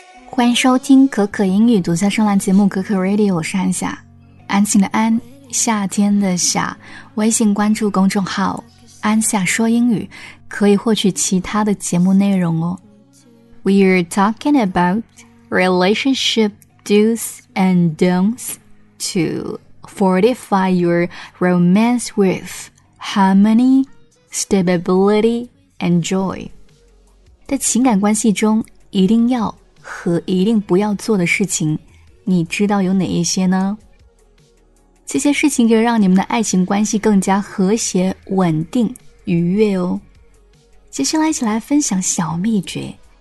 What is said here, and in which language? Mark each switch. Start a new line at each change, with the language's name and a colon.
Chinese: 欢迎收听可可英语独家声浪节目可可 Radio， 我是安夏，安静的安，夏天的夏。微信关注公众号安夏说英语，可以获取其他的节目内容哦。
English: We're talking about relationship do's and don'ts to fortify your romance with harmony, stability and joy。
Chinese: 在情感关系中一定要和一定不要做的事情，你知道有哪一些呢？这些事情可以让你们的爱情关系更加和谐、稳定、愉悦哦。接下来一起来分享小秘诀。